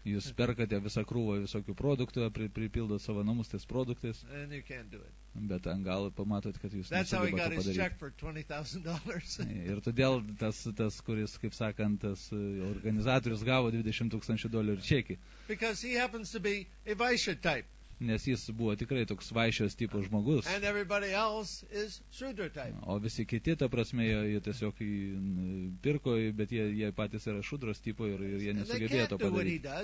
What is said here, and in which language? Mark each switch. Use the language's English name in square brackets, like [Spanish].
[Lithuanian] Jūs perkate visą krūvą visokių produktų, pripildot savo namus tais produktais. [English] And you can't do it. [Lithuanian] Bet ant galo pamatot, kad jūs nesugebate padaryti. [English] That's how he got his check for $20,000. [Lithuanian] Ir todėl tas kuris, kaip sakant, tas organizatorius gavo 20 tūkstančių dolerių čekį. [English] Because he happens to be a Vaishya type. [Lithuanian] Nes jis buvo tikrai toks vaišios tipo žmogus. [English] And everybody else is Shudra type. [Lithuanian] O visi kiti, ta prasme, jie tiesiog pirko, bet jie patys yra šudros tipo ir jie nesugebėjo to padaryti.